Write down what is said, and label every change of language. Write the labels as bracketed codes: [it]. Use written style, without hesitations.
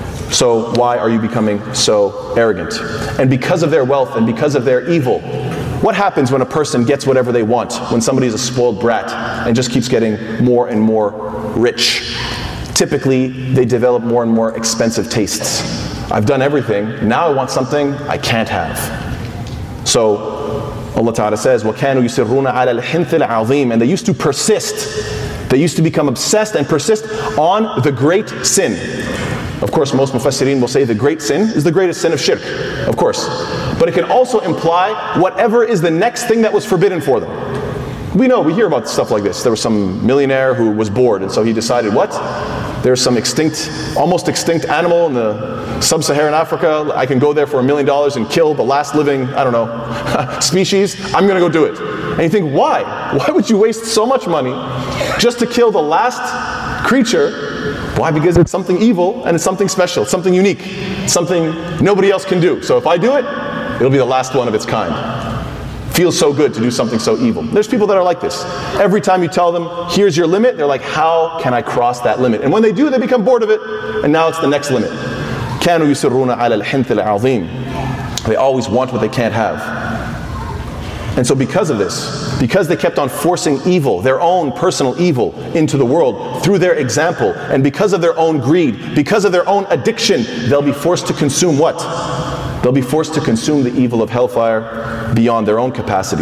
[en] So why are you becoming so arrogant? And because of their wealth and because of their evil, what happens when a person gets whatever they want, when somebody is a spoiled brat and just keeps getting more and more rich? Typically, they develop more and more expensive tastes. I've done everything, now I want something I can't have. So Allah Ta'ala says, [ar] وَكَانُوا يُسِرُّونَ عَلَى الْحِنْثِ الْعَظِيمِ. [en] And they used to persist. They used to become obsessed and persist on the great sin. Of course, most mufassirin will say the great sin is the greatest sin of shirk, of course. But it can also imply whatever is the next thing that was forbidden for them. We know, we hear about stuff like this. There was some millionaire who was bored, and so he decided what? there's some extinct, almost extinct animal in the sub-Saharan Africa. I can go there for $1 million and kill the last living, I don't know, species. I'm going to go do it. And you think, why? Why would you waste so much money just to kill the last creature? Why? Because it's something evil and it's something special, something unique, something nobody else can do. So if I do it, it'll be the last one of its kind. Feels so good to do something so evil. There's people that are like this. Every time you tell them, here's your limit, they're like, how can I cross that limit? And when they do, they become bored of it, and now it's the next limit. [ar] كانوا يسرون على الحنث العظيم. [en] They always want what they can't have. And so because of this, because they kept on forcing evil, their own personal evil, into the world through their example, and because of their own greed, because of their own addiction, they'll be forced to consume what? They'll be forced to consume the evil of hellfire beyond their own capacity.